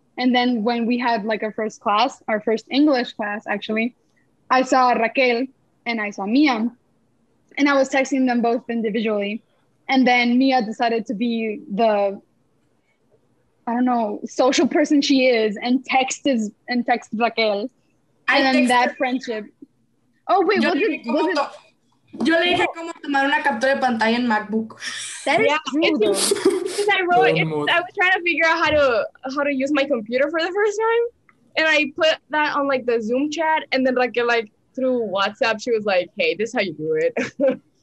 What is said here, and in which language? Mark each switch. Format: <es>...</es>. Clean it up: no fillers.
<en>And then when we had like our first class, our first English class actually, I saw Raquel and I saw Mia, and I was texting them both individually, and then Mia decided to be the, I don't know, social person she is, and text Raquel. And then that friendship. Oh, wait,</en> <es>Yo le dije cómo tomar una captura de pantalla en MacBook.</es> <en>That is true, though. I was trying to figure out how to use my computer for the first time. And I put that on, like, the Zoom chat. And then, like through WhatsApp, she was like, hey, this is how you do it.</en>